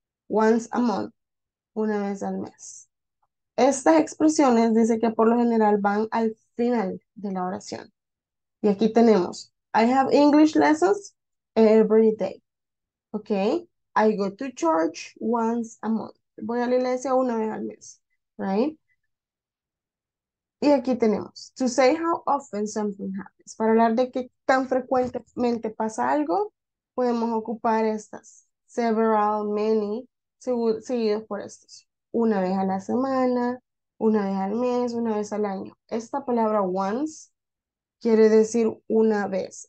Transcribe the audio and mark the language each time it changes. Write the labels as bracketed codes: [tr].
[en] Once a month, [es] una vez al mes. Estas expresiones dice que por lo general van al final de la oración. Y aquí tenemos, [en] I have English lessons every day. Okay. I go to church once a month. [es] Voy a la iglesia una vez al mes. [en] Right? [es] Y aquí tenemos, [en] to say how often something happens. [es] Para hablar de qué tan frecuentemente pasa algo, podemos ocupar estas. Several, many, seguidos por estos. Una vez a la semana, una vez al mes, una vez al año. Esta palabra once quiere decir una vez.